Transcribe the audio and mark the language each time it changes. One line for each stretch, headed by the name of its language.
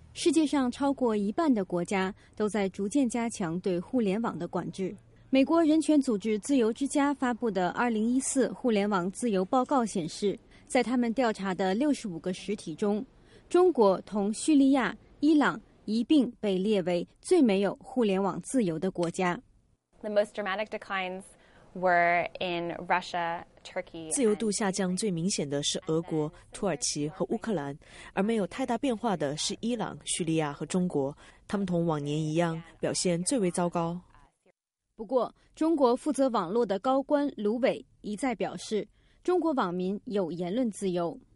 Chinese: 世界上超过一半的国家都在逐渐加强对互联网的管制。美国人权组织自由之家发布的2014互联网自由报告显示，在他们调查的65个实体中，中国同叙利亚、伊朗一并被列为最没有互联网自由的国家。
English: The most dramatic declines were in Russia, Turkey.
Chinese: 自由度下降最明显的是俄国、土耳其和乌克兰，而没有太大变化的是伊朗、叙利亚和中国，他们同往年一样表现最为糟糕。不过，中国负责网络的高官卢伟一再表示，中国网民有言论自由。